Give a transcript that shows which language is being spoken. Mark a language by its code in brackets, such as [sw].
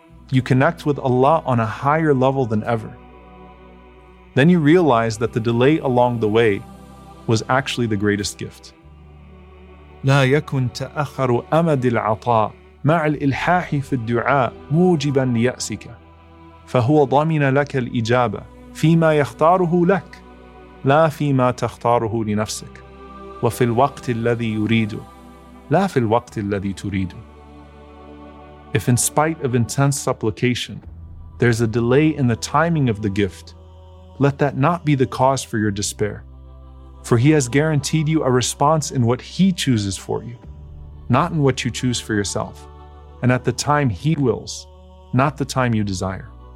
[en] You connect with Allah on a higher level than ever. Then you realize that the delay along the way was actually the greatest gift. [ar] لا يكن تأخر أمد العطاء مع الإلحاح في الدعاء موجبا ليأسك فهو ضمن لك الإجابة فيما يختاره لك لا فيما تختاره لنفسك وفي الوقت الذي يريده لا في الوقت الذي تريده. [en] If in spite of intense supplication, there's a delay in the timing of the gift, let that not be the cause for your despair. For he has guaranteed you a response in what he chooses for you, not in what you choose for yourself, and at the time he wills, not the time you desire.